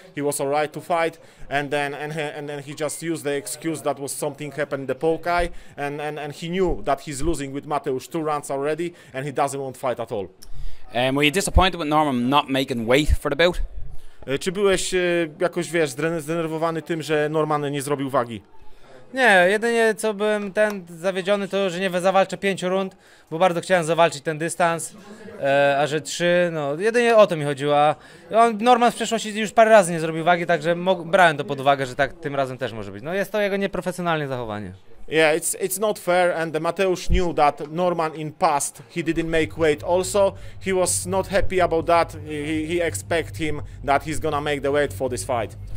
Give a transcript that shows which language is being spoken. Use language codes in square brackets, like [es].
[en] He was all right to fight, and then he just used the excuse that was something happened in the poke eye, and he knew that he's losing with Mateusz two rounds already, and he doesn't want to fight at all. Were you disappointed with Norman not making weight for the bout? [pl] Czy byłeś jakoś, wiesz, zdenerwowany tym, że Norman nie zrobił wagi? Nie, jedynie co byłem ten zawiedziony, to że nie zawalczę 5 rund, bo bardzo chciałem zawalczyć ten dystans, a że 3, no jedynie o to mi chodziło, a Norman w przeszłości już parę razy nie zrobił wagi, także brałem to pod uwagę, że tak tym razem też może być. No jest to jego nieprofesjonalne zachowanie. [en] Yeah, it's not fair, and Mateusz knew that Norman in past he didn't make weight also. He was not happy about that. He expect him that he's gonna make the weight for this fight.